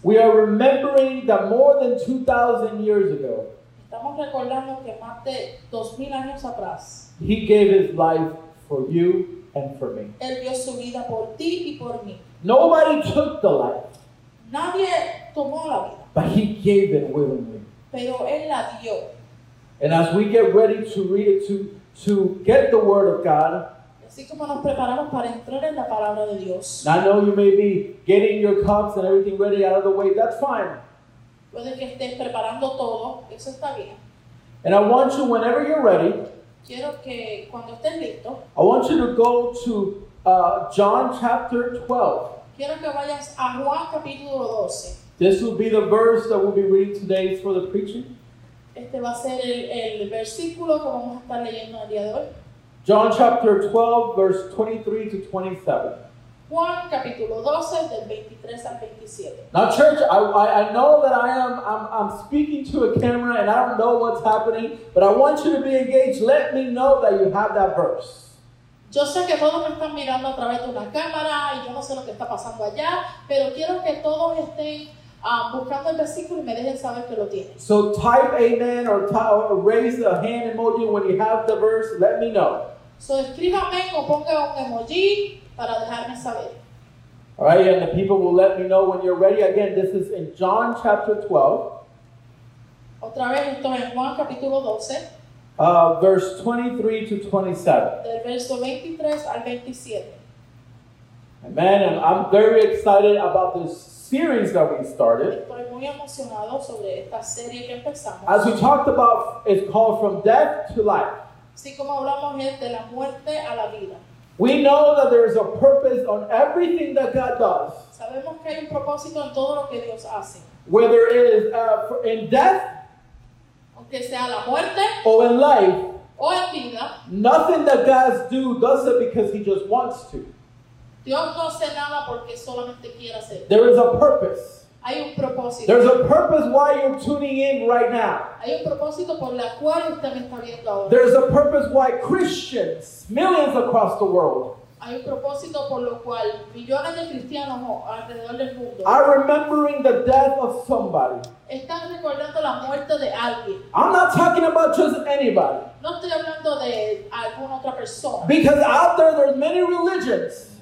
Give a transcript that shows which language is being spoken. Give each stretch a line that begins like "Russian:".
English: we are remembering that more than 2,000 years ago,
Spanish: estamos recordando que más de 2,000 años atrás,
English: he gave his life for you and for me.
Spanish: Él dio su vida por ti y por mí.
English: Nobody took the life.
Spanish: Nadie tomó la vida.
English: But he gave it willingly.
Spanish: Pero él la dio.
English: And as we get ready to read it, to get the word of God,
Spanish: así como nos preparamos para entrar en la palabra de Dios,
English: I know you may be getting your cups and everything ready out of the way. That's fine.
Spanish: Puede que estés preparando todo. Eso está bien.
English: And I want you, whenever you're ready,
Spanish: quiero que cuando estés listo,
English: I want you to go to John chapter 12.
Spanish: Quiero que vayas a Juan capítulo 12.
English: This will be the verse that we'll be reading today for the preaching.
Spanish: Este va a ser el versículo que vamos a estar leyendo el día de hoy.
English: John chapter 12, verse 23 to 27.
Spanish: Juan capítulo 12, del 23 al 27.
English: Now church, I know that I'm speaking to a camera and I don't know what's happening, but I want you to be engaged. Let me know that you have that verse.
Spanish: Yo sé que todos me están mirando a través de una cámara y yo no sé lo que está pasando allá, pero quiero que todos estén buscando el versículo y me dejen saber que lo tienen.
English: So type amen or raise a hand emoji when you have the verse. Let me know.
Spanish: So escríbame o ponga un emoji para dejarme saber.
English: All right, and the people will let me know when you're ready. Again, this is in John chapter 12.
Spanish: Otra vez, esto es en Juan capítulo 12.
English: Verse 23 to 27.
Spanish: Verso 23 al 27.
English: Amen. And I'm very excited about this series that we started.
Spanish: Estoy muy emocionado sobre esta serie que empezamos.
English: As we talked about, it's called From Death to Life.
Spanish: Así como hablamos es de la muerte a la vida.
English: We know that there is a purpose on everything that God does.
Spanish: Sabemos que hay un propósito en todo lo que Dios hace.
English: Whether it is in death,
Spanish: que sea la muerte,
English: or in life,
Spanish: o en vida,
English: nothing that God does it because he just wants to.
Spanish: Dios no hace nada porque solamente quiere hacerlo.
English: There is a purpose.
Spanish: Hay un propósito.
English: There's a purpose why you're tuning in right now.
Spanish: Hay un propósito por la cual usted me está viendo ahora.
English: There's a purpose why Christians, millions across the world.
Spanish: Hay un propósito por lo cual millones de cristianos alrededor del mundo
English: are remembering the death of somebody.
Spanish: Están recordando la muerte de alguien.
English: I'm not talking about just anybody.
Spanish: No estoy hablando de alguna otra persona.
English: Because out there are many religions.